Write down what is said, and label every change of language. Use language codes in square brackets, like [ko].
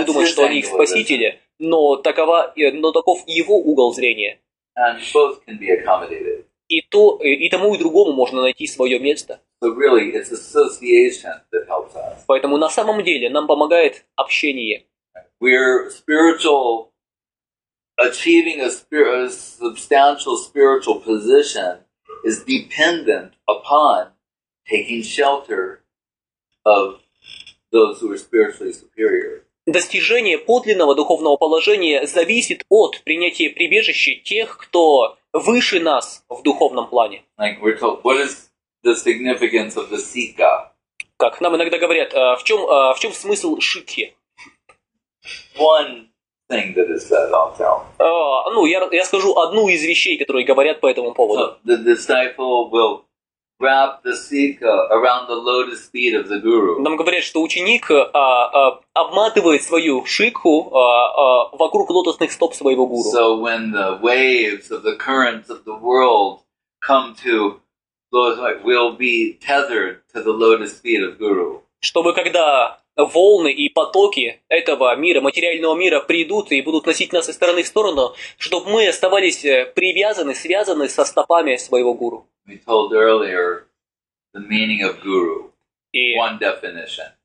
[ru] бы думать, что они их спасители, но такова, но таков его угол зрения. [en] And both can be accommodated. [ru] И то, и тому, и другому можно найти свое место. [en] So really, it's association that helps us. [ru] Поэтому на самом деле нам помогает общение. [en] We're spiritual, achieving a substantial spiritual position is dependent upon taking shelter of those who are spiritually superior. [ru] Достижение подлинного духовного положения зависит от принятия прибежища тех, кто выше нас в духовном плане. [en] Like we're told, what is the significance of the sika? [ru] Как нам иногда говорят, в чем смысл шикхи? [en] One thing that is said, I'll tell. [ru] Я скажу одну из вещей, которые говорят по этому поводу. [en] So the disciple will wrap the sika around the lotus feet of the guru. [ru] Нам говорят, что ученик обматывает свою шикху вокруг лотосных стоп своего гуру. [en] So when the waves of the currents of the world come to lotus, we'll be tethered to the lotus feet of guru. [ru] Чтобы когда волны и потоки этого мира, материального мира, придут и будут носить нас из стороны в сторону, чтобы мы оставались привязаны, связаны со стопами своего гуру. [en] We told earlier the meaning of guru. One definition.